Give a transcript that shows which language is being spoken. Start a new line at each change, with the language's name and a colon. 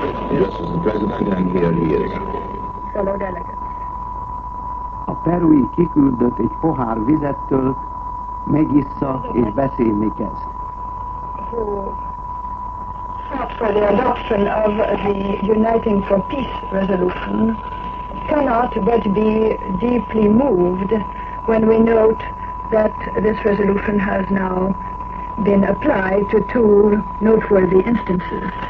English: This is the president, and here he is. Fellow delegates.
Hungarian: A perui kiküldött egy pohár vizettől, megissza és beszélni kezd.
English: Who fought for the adoption of the Uniting for Peace resolution cannot but be deeply moved when we note that this resolution has now been applied to two noteworthy instances.